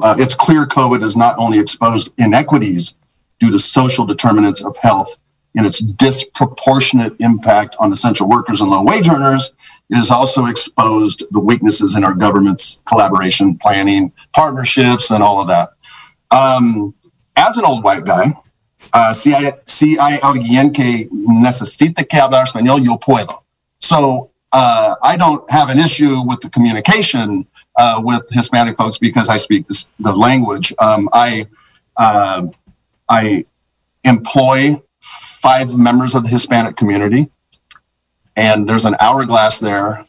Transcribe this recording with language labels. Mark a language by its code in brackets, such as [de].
[en] It's clear COVID has not only exposed inequities due to social determinants of health and its disproportionate impact on essential workers and low-wage earners, it has also exposed the weaknesses in our government's collaboration, planning, partnerships, and all of that. As an old white guy, [es] si hay alguien que necesita que hablar español, yo puedo. [en] So I don't have an issue with the communication with Hispanic folks because I speak the language. I employ 5 members of the Hispanic community, and there's an hourglass there.